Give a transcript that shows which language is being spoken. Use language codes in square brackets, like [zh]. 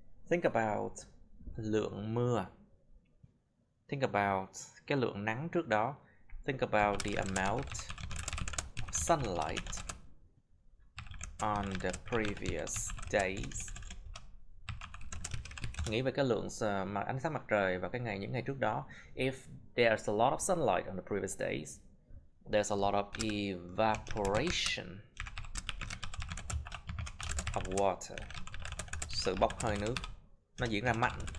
[en] Think about [vi] lượng mưa. Think about cái lượng nắng trước đó. [en] Think about the amount of sunlight on the previous days. [vi] Nghĩ về cái lượng ánh sáng mặt trời vào cái ngày những ngày trước đó. [en] If there's a lot of sunlight on the previous days, there's a lot of evaporation of water. [vi] Sự bốc hơi nước nó diễn ra mạnh.